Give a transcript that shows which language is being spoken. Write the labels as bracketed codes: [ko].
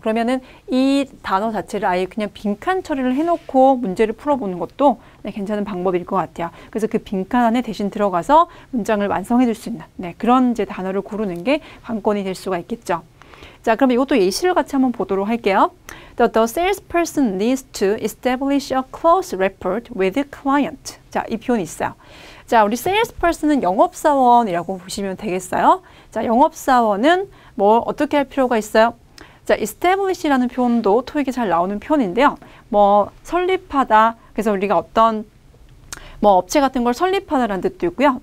[ko] 그러면은 이 단어 자체를 아예 그냥 빈칸 처리를 해놓고 문제를 풀어보는 것도 괜찮은 방법일 것 같아요. 그래서 그 빈칸 안에 대신 들어가서 문장을 완성해줄 수 있는, 네, 그런 이제 단어를 고르는 게 관건이 될 수가 있겠죠. 자, 그럼 이것도 예시를 같이 한번 보도록 할게요. [en] The salesperson needs to establish a close rapport with the client. [ko] 자, 이 표현이 있어요. 자, 우리 salesperson은 영업사원이라고 보시면 되겠어요. 자, 영업사원은 뭐 어떻게 할 필요가 있어요? 자, establish라는 표현도 토익에 잘 나오는 표현인데요. 뭐 설립하다, 그래서 우리가 어떤 뭐 업체 같은 걸 설립하다라는 뜻도 있고요.